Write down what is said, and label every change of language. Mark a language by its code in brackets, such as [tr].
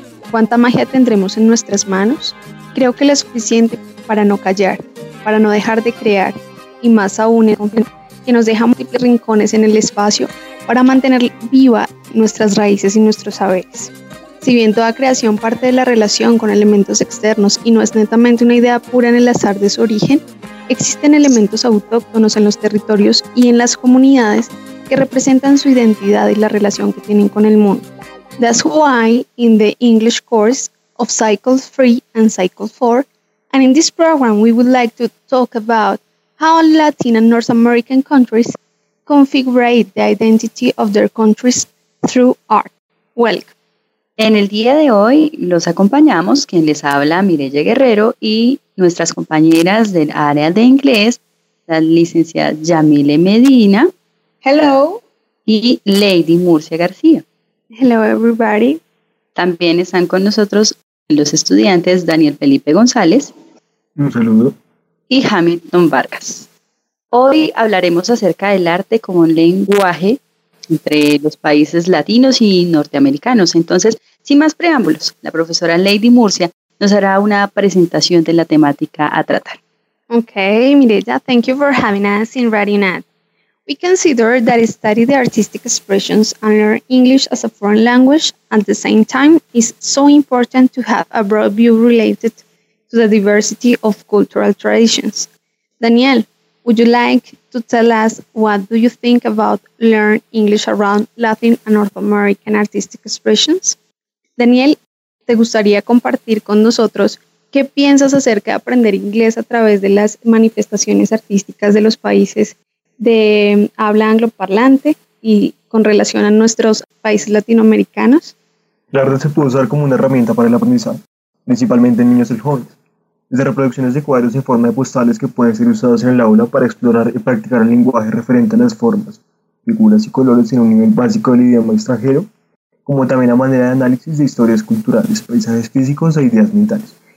[es] ¿Cuánta magia tendremos en nuestras manos? Creo que la suficiente para no callar, para no dejar de crear, y más aún en confianza, que nos deja múltiples rincones en el espacio para mantener viva nuestras raíces y nuestros saberes. Si bien toda creación parte de la relación con elementos externos y no es netamente una idea pura en el azar de su origen, existen elementos autóctonos en los territorios y en las comunidades que representan su identidad y la relación que tienen con el mundo. [en] That's why in the English course of Cycle 3 and Cycle 4, and in this program we would like to talk about how Latin and North American countries configure the identity of their countries through art. Welcome. [es] En el día de hoy los acompañamos, quien les habla, Mireya Guerrero, y nuestras compañeras del área de inglés, la licenciada Yamile Medina. [en] Hello. [es] Y Lady Murcia García. [en] Hello, everybody. [es] También están con nosotros los estudiantes Daniel Felipe González. Un saludo. Y Hamilton Vargas. Hoy hablaremos acerca del arte como un lenguaje entre los países latinos y norteamericanos. Entonces, sin más preámbulos, la profesora Lady Murcia nos hará una presentación de la temática a tratar. [en] Okay, Mireya, thank you for having us in Writing Ad. We consider that study the artistic expressions and learn English as a foreign language at the same time is so important to have a broad view related to the diversity of cultural traditions. Daniel, would you like to tell us what do you think about learn English around Latin and North American artistic expressions? [es] Daniel, ¿te gustaría compartir con nosotros qué piensas acerca de aprender inglés a través de las manifestaciones artísticas de los países de habla angloparlante y con relación a nuestros países latinoamericanos? El arte se puede usar como una herramienta para el aprendizaje, principalmente en niños y jóvenes, desde reproducciones de cuadros en forma de postales que pueden ser usados en el aula para explorar y practicar el lenguaje referente a las formas, figuras y colores en un nivel básico del idioma extranjero, como también a manera de análisis de historias culturales, paisajes físicos e ideas mentales.